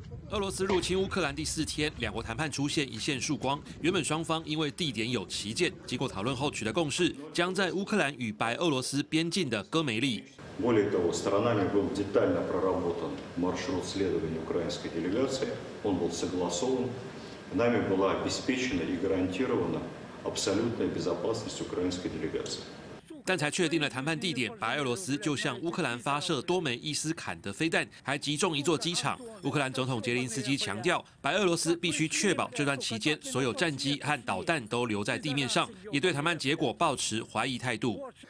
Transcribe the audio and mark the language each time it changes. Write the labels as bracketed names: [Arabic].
[Chinese] 俄罗斯入侵乌克兰第4天，两国谈判出现一线曙光。原本双方因为地点有旗舰，经过讨论后取得共识，将在乌克兰与白俄罗斯边境的戈梅利。 [Russian] Более того, сторонами был детально проработан маршрут следования украинской делегации. Он был согласован. Нами была обеспечена и гарантирована абсолютная безопасность украинской делегации. [Chinese] 但才确定了谈判地点，白俄罗斯就向乌克兰发射多枚伊斯坎德飞弹，还击中一座机场。乌克兰总统杰林斯基强调，白俄罗斯必须确保这段期间所有战机和导弹都留在地面上，也对谈判结果抱持怀疑态度。